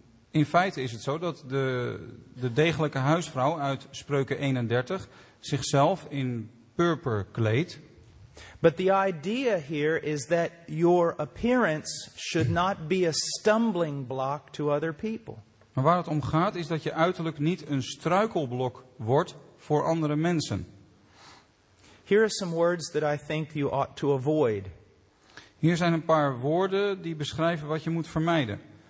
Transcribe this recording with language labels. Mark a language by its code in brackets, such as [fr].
[nl] In feite is het zo dat de degelijke huisvrouw uit Spreuken 31 zichzelf in purper kleedt. [en] But the idea here is that your appearance should not be a stumbling block to other people. [nl] Maar waar het om gaat is dat je uiterlijk niet een struikelblok wordt voor andere mensen. [en] Here are some words that I think you ought to avoid. [nl] Hier zijn een paar woorden die beschrijven wat je moet vermijden.